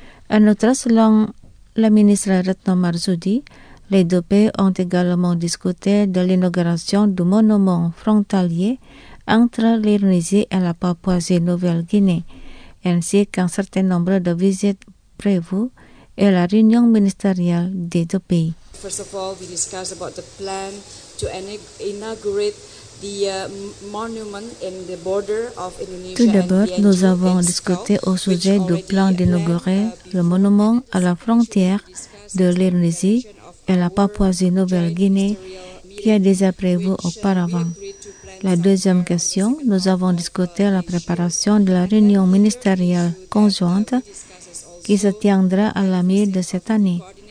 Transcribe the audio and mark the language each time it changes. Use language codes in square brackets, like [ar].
[fr] En outre, selon la ministre Retno Marsudi, les deux pays ont également discuté de l'inauguration du monument frontalier entre l'Indonésie et la Papouasie-Nouvelle-Guinée, ainsi qu'un certain nombre de visites prévues et la réunion ministérielle des deux pays. [en] First of all, we discussed about the plan to inaugurate the monument in the border of Indonesia. [fr] Tout d'abord, nous avons discuté au sujet du plan d'inaugurer le monument à la frontière de l'Indonésie et la Papouasie-Nouvelle-Guinée, qui a déjà prévu auparavant. La deuxième question, nous avons discuté la préparation de la réunion ministérielle conjointe qui se tiendra à la mi de cette année.